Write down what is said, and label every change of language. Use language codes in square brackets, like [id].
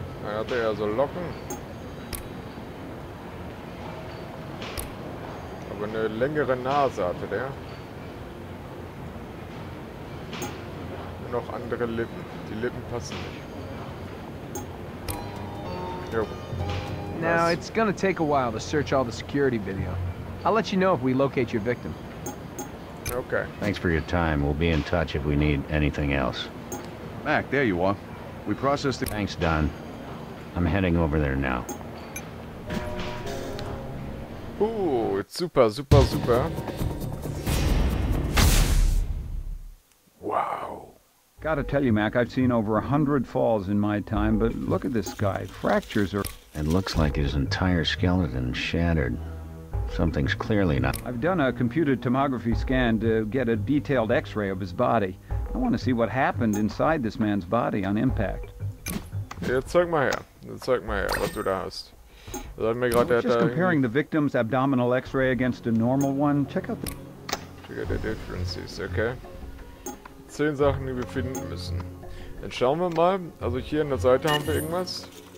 [de] Er hatte ja so Locken. Eine längere Nase hatte der. Und noch andere Lippen. Die Lippen passen nicht. [en] Now, it's gonna take a while to search all the security video. I'll let you know if we locate your victim. Okay. Thanks for your time. We'll be in touch if we need anything else. Mac, there you are. We processed the... Thanks, Don. I'm heading over there now. Ooh, it's super, super, super. Wow. Gotta tell you, Mac, I've seen over 100 falls in my time, but look at this guy. Fractures are... It looks like his entire skeleton shattered. Something's clearly not... I've done a computed tomography scan to get a detailed x-ray of his body. I want to see what happened inside this man's body on impact. [de] Jetzt zeig mal her. Jetzt zeig mal her, was du da hast. [en] I was just comparing the victim's abdominal x-ray against a normal one. Check out the... Check out the differences, okay. [de] 10 Sachen, die wir finden müssen. Dann schauen wir mal. Also hier an der Seite haben wir irgendwas.